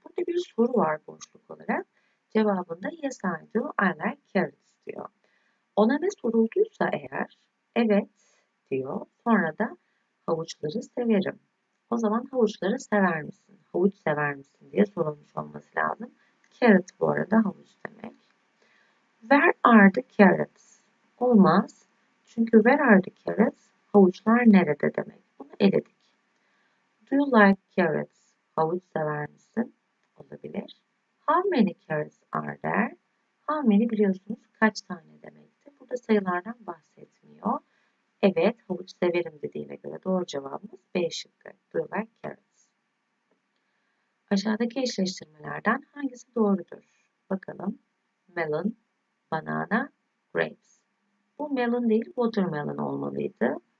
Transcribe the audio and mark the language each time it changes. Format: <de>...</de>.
<tr>Burada bir soru var boşluk olarak. Cevabında</tr> <en>yes I do, I like carrots</en> <tr>diyor. Ona ne sorulduysa eğer evet diyor. Sonra da havuçları severim. O zaman havuçları sever misin? Havuç sever misin diye sorulmuş olması lazım. Carrot bu arada havuç demek.</tr> <en>Where are the carrots?</en> <tr>Olmaz. Çünkü</tr> <en>where are the carrots?</en> <tr>Havuçlar nerede demek. Bunu eledik.</tr> <en>Do you like carrots?</en> <tr>Havuç sever misin? Olabilir.</tr> <en>How many carrots are there? How many</en> <tr>biliyorsunuz kaç tane demektir. Burada sayılardan bahsetmiyor. Evet, havuç severim dediğine göre doğru cevabımız B şıkkı.</tr> <en>Do you like carrots?</en> <tr>Aşağıdaki eşleştirmelerden hangisi doğrudur? Bakalım.</tr> <en>Melon, banana, grapes.</en> <tr>Bu melon değil, watermelon olmalıydı.</tr>